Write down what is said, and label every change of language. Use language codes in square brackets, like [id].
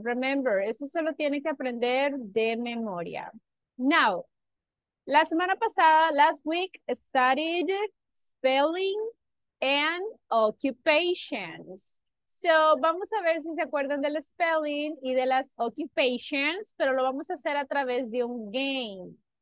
[en] Remember, [es] eso solo tienen que aprender de memoria. [en] Now, [es] la semana pasada, [en] last week, studied spelling and occupations. [es] So, vamos a ver si se acuerdan del spelling y de las occupations, pero lo vamos a hacer a través de un game.